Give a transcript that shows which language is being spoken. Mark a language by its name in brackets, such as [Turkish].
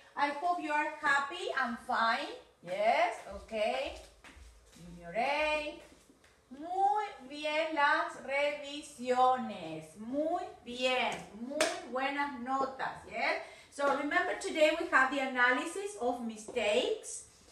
[English] I hope you are happy and fine. Yes, okay. Junior A. [Spanish] Muy bien las revisiones. Muy bien. Muy buenas notas. Yes. [English] So remember, today we have the analysis of mistakes.